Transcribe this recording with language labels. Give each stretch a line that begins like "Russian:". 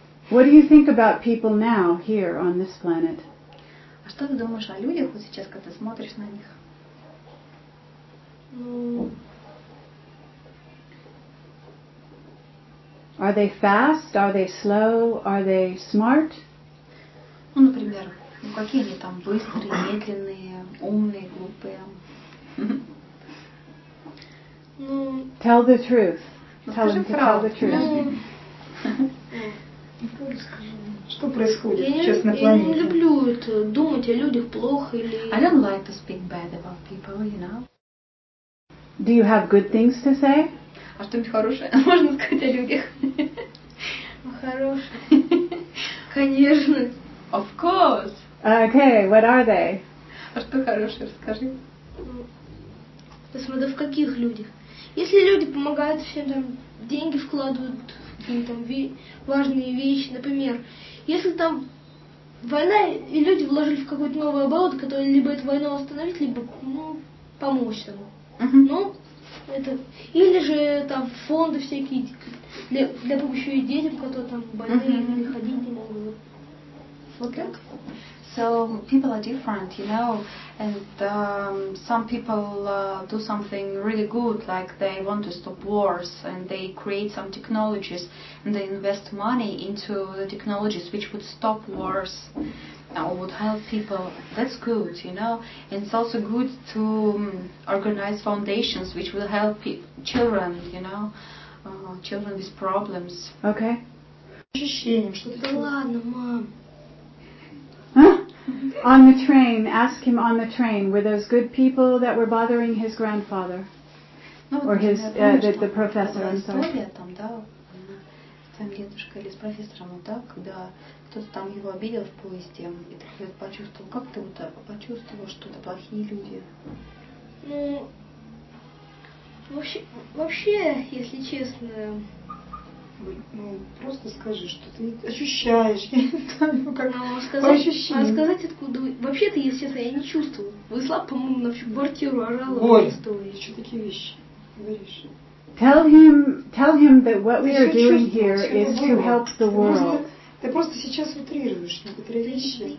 English: What do you think about people now, here, on this planet?
Russian: А что ты думаешь о людях вот сейчас, когда смотришь на них?
English: Are they fast? Are they slow? Are they smart?
Russian: Ну, например, ну какие они там быстрые, медленные, умные, глупые. Ну.
English: Tell the truth. Tell them to tell the truth.
Russian: Что происходит сейчас на планете? Я не люблю это, думать о людях плохо или.
English: I don't like to speak bad about people, you know. Do you have good things to say?
Russian: А что-нибудь хорошее можно сказать о людях? Ну, хорошее. Конечно.
English: Of course. Okay, what are they?
Russian: А что хорошее, расскажи. Посмотри, в каких людях. Если люди помогают всем, там, деньги вкладывают в какие-то там важные вещи, например, если там война, и люди вложили в какой-то новый оборот, который либо эту войну остановить, либо, ну, помочь тому. Uh-huh. Ну, это... Или же там фонды всякие для помощи детям, которые там больные, uh-huh. или ходить не могут.
English: Okay. So people are different, you know, and some people do something really good, like they want to stop wars and they create some technologies and they invest money into the technologies which would stop wars or would help people. That's good, you know, and it's also good to organize foundations which will help children, you know, children with problems. Okay.
Russian: Да ладно, мам.
English: On the train, ask him on the train, were those good people that were bothering his grandfather?
Russian: Ну,
English: or his,
Russian: помню,
English: the professor, I'm sorry.
Russian: История там, да, там дедушка или с профессором, вот так, когда кто-то там его обидел в поезде, и так вот почувствовал, как ты вот почувствовал, что это плохие люди? Ну, вообще, если честно... Ну, просто скажи, что ты ощущаешь, я не знаю, как сказать, по ощущениям. А сказать откуда? Вообще-то, если честно, я не чувствовала. Вышла, по-моему, на всю квартиру, орала. Ой, что такие вещи говоришь?
English: Tell him that what we are doing here is to help the world.
Russian: Ты просто сейчас утрируешь некоторые вещи.